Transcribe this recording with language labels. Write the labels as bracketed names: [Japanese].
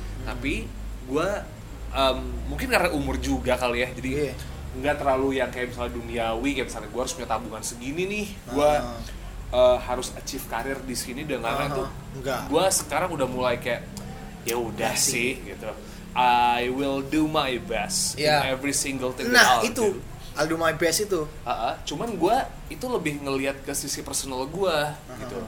[Indonesian] Tapi gue mungkin karena umur juga kali ya. Jadi gak terlalu yang kayak misalnya duniawi. Kayak misalnya gue harus punya tabungan segini nih. Gue harus achieve karir di sini dan lain-lain tuh. Gue sekarang udah mulai kayak ya udah sih gitu. [English] I will do my best in every single thing. [Indonesian] Nah itu do. [English] I'll do my best [Indonesian] itu. Cuman gue itu lebih ngelihat ke sisi personal gue gitu.